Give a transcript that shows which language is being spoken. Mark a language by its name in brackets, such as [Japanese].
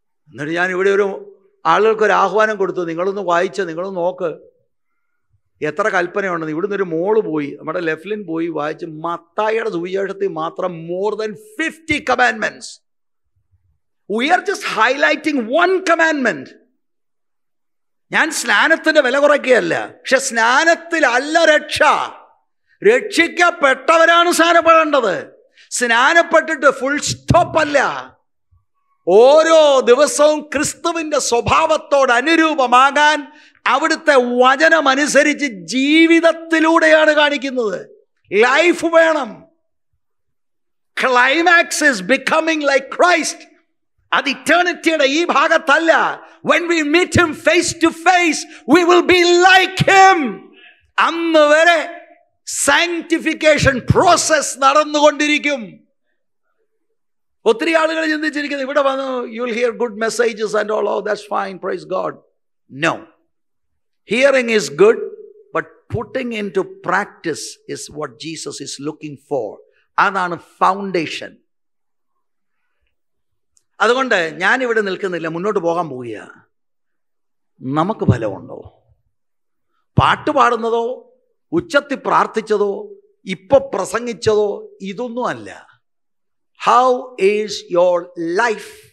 [Malayalam] എന്നിട്ട് ഞാൻ ഇവിടെ ഒരു ആളുകൾക്കൊരു ആഹ്വാനം കൊടുത്തു, നിങ്ങളൊന്ന് വായിച്ച് നിങ്ങളൊന്ന് നോക്ക് എത്ര കൽപ്പനയുണ്ടെന്ന്. ഇവിടുന്ന് ഒരു മോള് പോയി, നമ്മുടെ ലെഫ്ലിൻ പോയി വായിച്ച് മത്തായിയുടെ സുവിശേഷത്തിൽ മാത്രം [English] More than 50 commandments. We are just highlighting one commandment. [Malayalam] ഞാൻ സ്നാനത്തിന്റെ വില കുറയ്ക്കുകയല്ല, പക്ഷെ സ്നാനത്തിലല്ല രക്ഷ, രക്ഷിക്കപ്പെട്ടവരാണ് സ്നാനപ്പെടേണ്ടത്. സ്നാനപ്പെട്ടിട്ട് ഫുൾ സ്റ്റോപ്പ് അല്ല. ഓരോ ദിവസവും ക്രിസ്തുവിന്റെ സ്വഭാവത്തോട് അനുരൂപമാകാൻ അവിടുത്തെ വചനമനുസരിച്ച് ജീവിതത്തിലൂടെയാണ് കാണിക്കുന്നത്. ലൈഫ് വേണം. [English] Climax is becoming like Christ. [Malayalam] അത് ഇറ്റേണിറ്റിയുടെ ഈ ഭാഗത്തല്ല. [English] When we meet him face to face, we will be like him. [Malayalam] അന്ന് വരെ സാങ്ക്ടിഫിക്കേഷൻ പ്രോസസ് നടന്നുകൊണ്ടിരിക്കും. ഒത്തിരി ആളുകൾ ചിന്തിച്ചിരിക്കുന്നു ഇവിടെ വന്ന് [English] you will hear good messages and all, oh that's fine, praise God. No. Hearing is good, but putting into practice is what Jesus is looking for. [Malayalam] അതാണ് foundation. അതുകൊണ്ട് ഞാനിവിടെ നിൽക്കുന്നില്ല, മുന്നോട്ട് പോകാൻ പോവുക. നമുക്ക് ഫലമുണ്ടോ? പാട്ടുപാടുന്നതോ ഉച്ചത്തി പ്രാർത്ഥിച്ചതോ ഇപ്പൊ പ്രസംഗിച്ചതോ ഇതൊന്നും അല്ല. [English] How is your life?